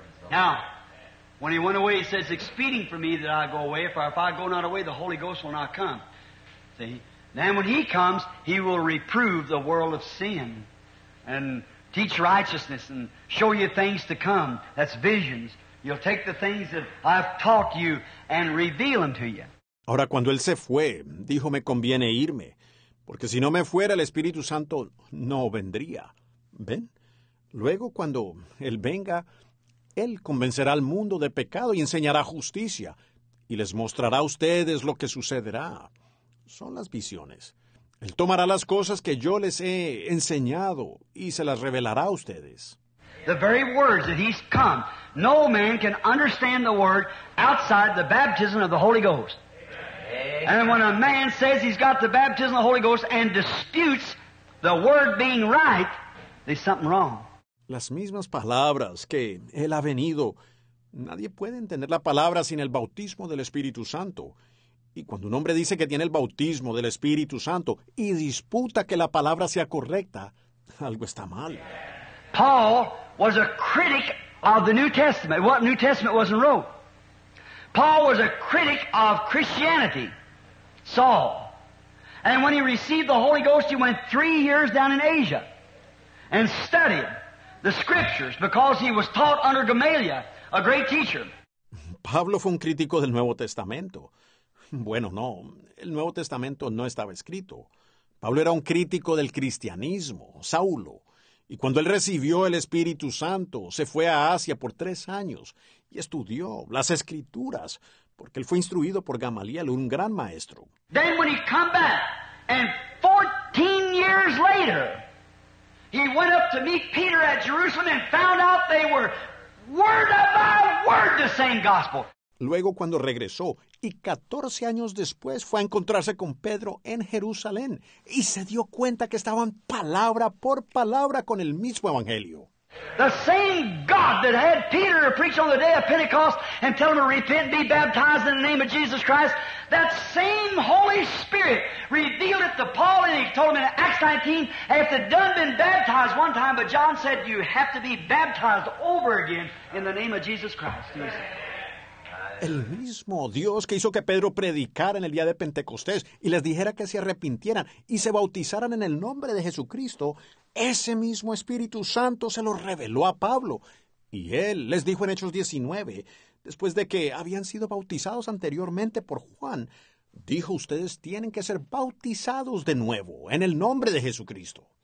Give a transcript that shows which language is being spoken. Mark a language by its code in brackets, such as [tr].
[en] Now, when he went away, he says, expedient for me that I go away. For if I go not away, the Holy Ghost will not come. See? Then when he comes, he will reprove the world of sin and teach righteousness and show you things to come. That's visions. You'll take the things that I've taught you and reveal them to you. [es] Ahora, cuando él se fue, dijo, me conviene irme, porque si no me fuera, el Espíritu Santo no vendría. ¿Ven? Luego, cuando él venga, él convencerá al mundo de pecado y enseñará justicia, y les mostrará a ustedes lo que sucederá. Son las visiones. Él tomará las cosas que yo les he enseñado y se las revelará a ustedes. [en] The very words that he's come, no man can understand the word outside the baptism of the Holy Ghost. And when a man says he's got the baptism of the Holy Ghost and disputes the word being right, there's something wrong. [es] Las mismas palabras que él ha venido, nadie puede entender la palabra sin el bautismo del Espíritu Santo. Y cuando un hombre dice que tiene el bautismo del Espíritu Santo y disputa que la palabra sea correcta, algo está mal. [en] Paul was a critic of the New Testament. What New Testament wasn't wrote? Paul was a critic of Christianity, Saul. And when he received the Holy Ghost, he went 3 years down in Asia and studied the scriptures because he was taught under Gamaliel, a great teacher. [es] Pablo fue un crítico del Nuevo Testamento. Bueno, no. El Nuevo Testamento no estaba escrito. Pablo era un crítico del cristianismo, Saulo. Y cuando él recibió el Espíritu Santo, se fue a Asia por 3 años y estudió las Escrituras, porque él fue instruido por Gamaliel, un gran maestro. [en] Then when he come back, and 14 years later, he went up to meet Peter at Jerusalem and found out they were word by word the same gospel. [es] Luego, cuando regresó, y 14 años después, fue a encontrarse con Pedro en Jerusalén y se dio cuenta que estaban palabra por palabra con el mismo Evangelio. [en] The same God that had Peter preach on the day of Pentecost and tell him to repent and be baptized in the name of Jesus Christ, that same Holy Spirit revealed it to Paul and he told him in Acts 19, after done been baptized one time, but John said you have to be baptized over again in the name of Jesus Christ. [es] El mismo Dios que hizo que Pedro predicara en el día de Pentecostés y les dijera que se arrepintieran y se bautizaran en el nombre de Jesucristo, ese mismo Espíritu Santo se lo reveló a Pablo. Y él les dijo en Hechos 19, después de que habían sido bautizados anteriormente por Juan, dijo, ustedes tienen que ser bautizados de nuevo en el nombre de Jesucristo.